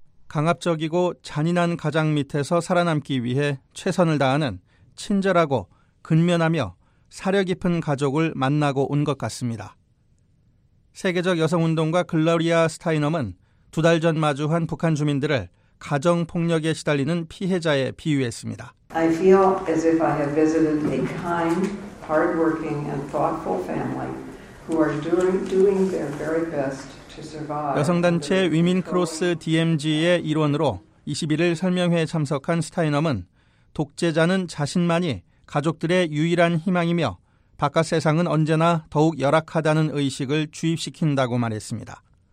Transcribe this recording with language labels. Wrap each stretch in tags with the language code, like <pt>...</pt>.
<ko>강압적이고 잔인한 가장 밑에서 살아남기 위해 최선을 다하는 친절하고 근면하며 사려 깊은 가족을 만나고 온 것 같습니다. 세계적 여성운동가 글로리아 스타이넘은 두 달 전 마주한 북한 주민들을 가정폭력에 시달리는 피해자에 비유했습니다.</ko> <en>I feel as if I have visited a kind, hardworking and thoughtful family who are doing their very best to survive.</en> <ko>여성단체 위민 크로스 DMG의 일원으로 21일 설명회에 참석한 스타이넘은 독재자는 자신만이 가족들의 유일한 희망이며 바깥 세상은 언제나 더욱 열악하다는 의식을 주입시킨다고 말했습니다.</ko>